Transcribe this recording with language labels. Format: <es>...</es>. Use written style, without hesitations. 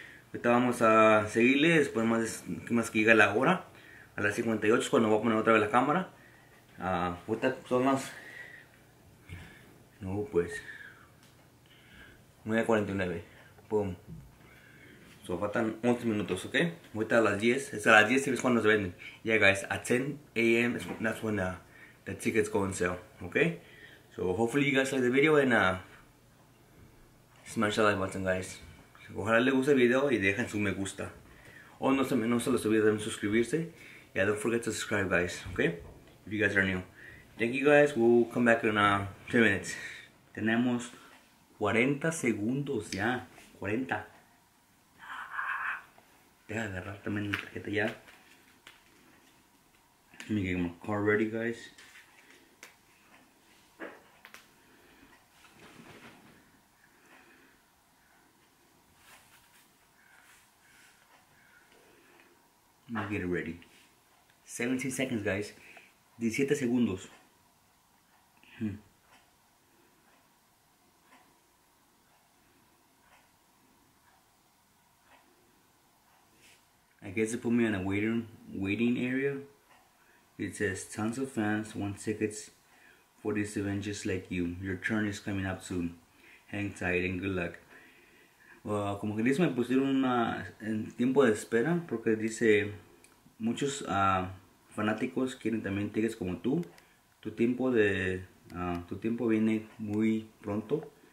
<es>Ahorita vamos a seguirle. Después más que llega la hora, a las 58 es cuando voy a poner otra vez la cámara. Son las, no, pues 9:49, boom. So faltan 11 minutos, ok. Ahorita a las 10, es a las 10 es cuando se venden.</es> <en>Yeah guys, at 10 a.m. that's when the tickets go on sale, ok. So hopefully you guys like the video and smash the like button, guys.</en> <es>Ojalá les guste el video y dejen su me gusta. O no se les olvide de suscribirse.</es> <en>Yeah, don't forget to subscribe, guys. Okay? If you guys are new. Thank you, guys. We'll come back in 10 minutes.</en> <es>Tenemos 40 segundos ya.</es> <en>40.</en> <es>Deja de agarrar también la tarjeta ya.</es> <en>Let me get my car ready, guys. Now get it ready. 17 seconds, guys.</en> <es>17 segundos.</es> <en>I guess they put me in a waiting area. It says, tons of fans want tickets for this event just like you. Your turn is coming up soon. Hang tight and good luck.</en> <es>Como que dice, me pusieron en tiempo de espera porque dice... Muchos fanáticos quieren también tickets como tú. Tu tiempo viene muy pronto.</es>